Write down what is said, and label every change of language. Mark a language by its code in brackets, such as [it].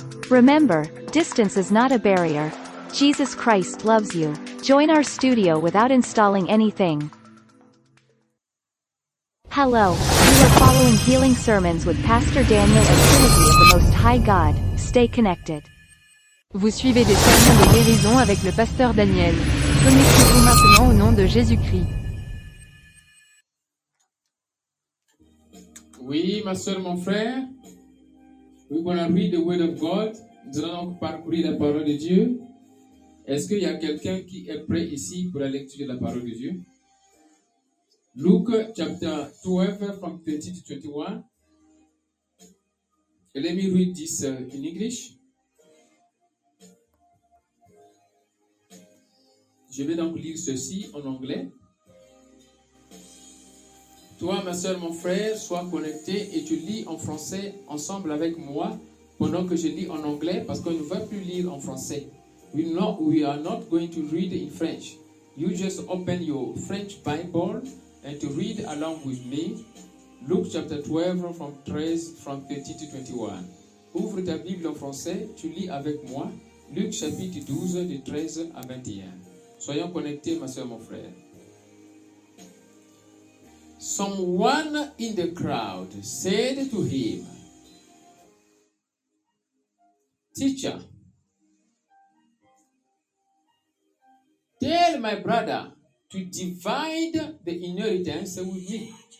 [en] Remember, distance is not a barrier. Jesus Christ loves you. Join our studio without installing anything. Hello, you are following Healing Sermons with Pastor Daniel and Trinity of the Most High God. Stay connected. [fr] Vous suivez des sermons de guérison avec le pasteur Daniel. Connectez-vous maintenant au nom de Jésus-Christ. Oui, ma soeur, mon frère. [en] We're going to read the word of God. [fr] Nous allons parcourir la parole de Dieu. Est-ce qu'il y a quelqu'un qui est prêt ici pour la lecture de la parole de Dieu? [en] Luke chapter 12 from 20 to 21. Let me read this in English. [fr] Je vais donc lire ceci en anglais. Toi, ma soeur, mon frère, sois connecté et tu lis en français ensemble avec moi pendant que je lis en anglais parce qu'on ne va plus lire en français. [en] We are not going to read in French. You just open your French Bible and to read along with me, Luke chapter 12 from 13 from 30 to 21. [fr] Ouvre ta Bible en français, tu lis avec moi, Luke chapitre 12 de 13 à 21. Soyons connectés, ma soeur, mon frère. [en] Someone in the crowd said to him, Teacher, tell my brother to divide the inheritance with me.